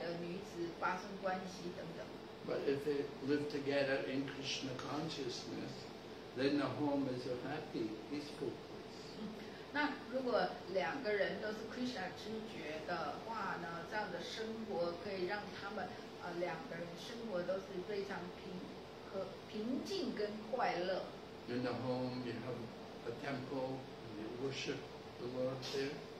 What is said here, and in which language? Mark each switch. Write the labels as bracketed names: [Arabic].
[Chinese] 如果一个家里不平安，很吵杂动乱的话，这丈夫就心里也会很受打扰，然后会出去外面去酒吧喝酒，或是去外面另外的女子发生关系等等。 [English] But if they live together in Krishna consciousness, then the home is a happy, peaceful place. [Chinese] 那如果两个人都是 Krishna 知觉的话呢，这样的生活可以让他们两个人生活都是非常平和、平静跟快乐。In [English] the home, you have a temple, and you worship the Lord there.